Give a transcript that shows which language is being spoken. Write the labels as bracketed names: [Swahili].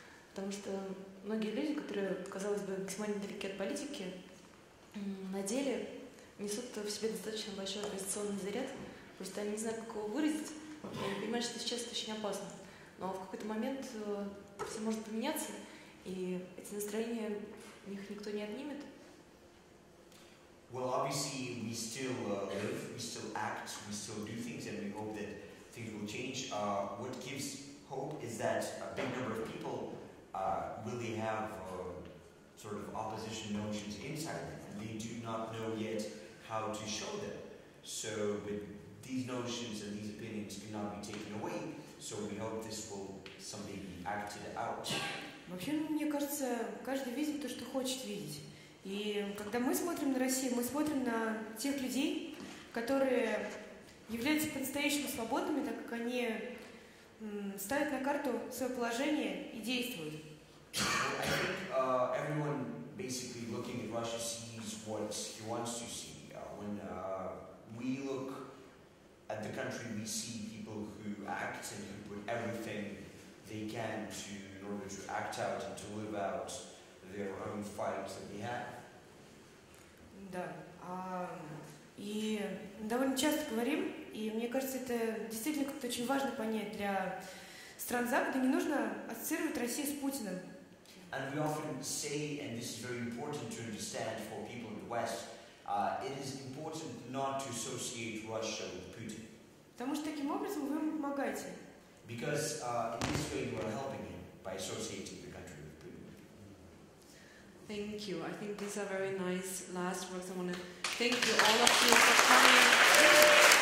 [Russian] Потому что многие люди, которые, казалось бы, максимально далеки от политики, на деле несут в себе достаточно большой оппозиционный заряд. Просто они не знают, как его выразить. Они понимают, что сейчас это очень опасно. Но в какой-то момент все может поменяться, и эти настроения у них никто не отнимет. [English] Well, obviously, we still live, we still act, we still do things, and we hope that things will change. What gives hope is that a big number of people really have sort of opposition notions inside them, and they do not know yet how to show them. So, but these notions and these opinions cannot be taken away, so we hope this will someday be acted out. [Russian] Вообще, мне кажется, каждый видит то, что хочет видеть. И когда мы смотрим на Россию, мы смотрим на тех людей, которые являются по-настоящему свободными, так как они ставят на карту свое положение и действуют. [English] Well, I think everyone basically looking at Russia sees what he wants to see. When we look at the country, we see people who act and who put everything they can to in order to act out and to live out their own fights that they have. [Russian] Да. И довольно часто говорим, и мне кажется, это действительно как-то очень важно понять для стран Запада, не нужно ассоциировать Россию с Путиным. [English] And we often say, and this is very important to understand for people in the West, it is important not to associate Russia with Putin. [Russian] Потому что таким образом вы ему помогаете. [English] Because in this way you are helping him by associating the country. Thank you. I think these are very nice last words. I want to thank you all of you for coming.